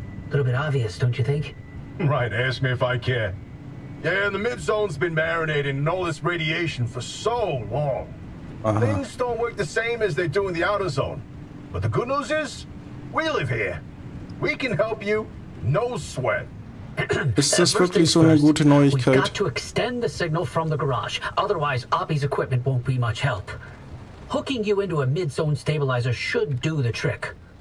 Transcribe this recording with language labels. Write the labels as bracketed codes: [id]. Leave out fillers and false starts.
[en] A little bit obvious, don't you think? Right, ask me if I care. Yeah, and the mid-zone's been marinating in all this radiation for so long. Uh-huh. Things don't work the same as they do in the outer zone. But the good news is, we live here. We can help you, no sweat. [de] Ist das wirklich so eine gute Neuigkeit? [en] We've got to extend the signal from the garage. Otherwise, Abby's equipment won't be much help. Hooking you into a mid-zone stabilizer should do the trick.